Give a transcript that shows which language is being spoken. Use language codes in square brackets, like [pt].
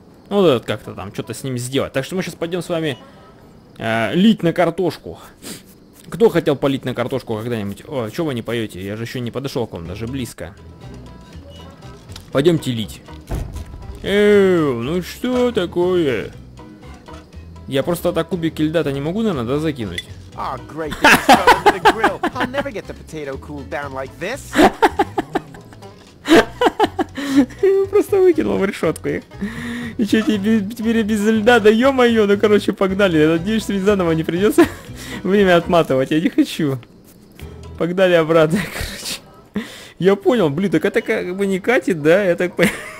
[ru] Ну да, как-то там что-то с ним сделать. Так что мы сейчас пойдем с вами лить на картошку. Кто хотел полить на картошку когда-нибудь? О, чего вы не поете? Я же еще не подошел к вам, даже близко. Пойдемте лить. Ну что такое? Я просто так кубики льда-то не могу, наверное, да, закинуть. [en] Oh, great, this is going to the grill. I'll never get the potato cooled down like this. [ru] Просто выкинул в решетку их. И что, теперь без льда? Да ё-моё, ну короче, погнали. Я надеюсь, что мне заново не придется время отматывать. Я не хочу. Погнали обратно, короче. Я понял, блин, так это как бы не катит, да? Я так понимаю.